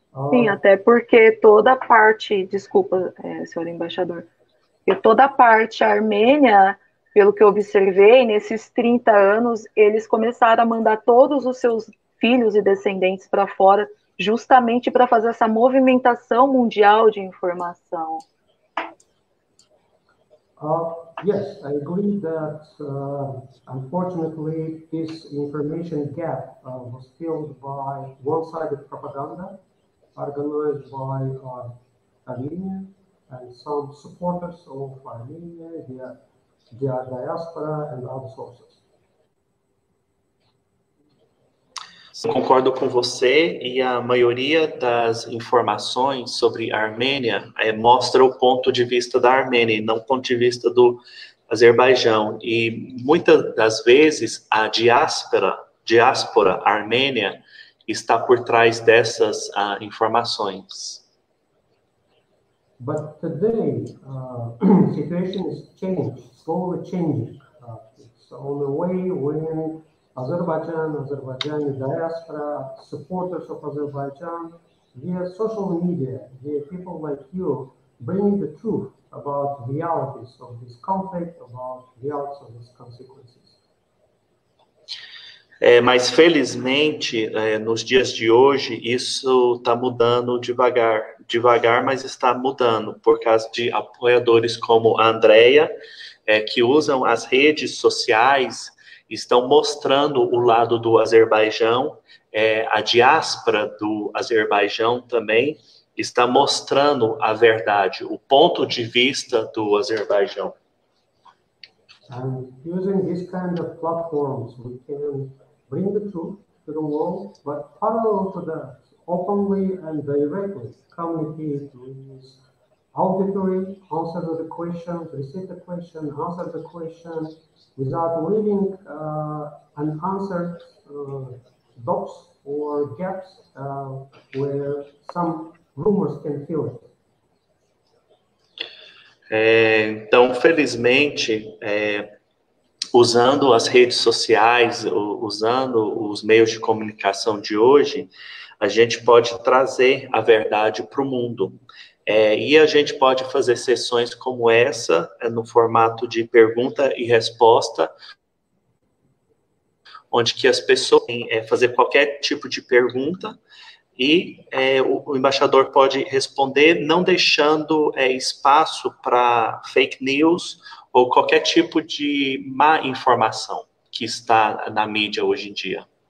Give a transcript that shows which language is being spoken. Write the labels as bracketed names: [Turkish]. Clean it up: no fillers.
[Portuguese] Sim, até porque toda a parte, desculpa, senhor embaixador, e toda a parte armênia, pelo que eu observei, nesses 30 anos, eles começaram a mandar todos os seus filhos e descendentes para fora, justamente para fazer essa movimentação mundial de informação. [English] Yes, I agree that unfortunately this information gap was filled by one-sided propaganda organized by Armenia and some supporters of Armenia via the diaspora and other sources. [Portuguese] Sim, concordo com você, e a maioria das informações sobre a Armênia mostra o ponto de vista da Armênia, não o ponto de vista do Azerbaijão. E muitas das vezes a diáspora armênia está por trás dessas informações. [English] But today, situation is changing, slowly changing. It's on the way when Azerbaijani diaspora, supporters of Azerbaijan, via social media, via people like you, bringing the truth about realities of this conflict, about realities of these consequences. [Portuguese] Mas felizmente, nos dias de hoje, isso está mudando devagar. Devagar, mas está mudando, por causa de apoiadores como a Andrea, que usam as redes sociais, estão mostrando o lado do Azerbaijão, a diáspora do Azerbaijão também está mostrando a verdade, o ponto de vista do Azerbaijão. [English] Using these kind of platforms, we can bring the truth to the world, but parallel to that, openly and directly communicate with auditory, answer the question, receive the question, answer the question, without leaving unanswered doubts or gaps where some rumors can fill it. [Portuguese] Então, felizmente, usando as redes sociais, usando os meios de comunicação de hoje, a gente pode trazer a verdade para o mundo. E a gente pode fazer sessões como essa, no formato de pergunta e resposta, onde que as pessoas podem fazer qualquer tipo de pergunta, e o embaixador pode responder, não deixando espaço para fake news ou qualquer tipo de má informação que está na mídia hoje em dia.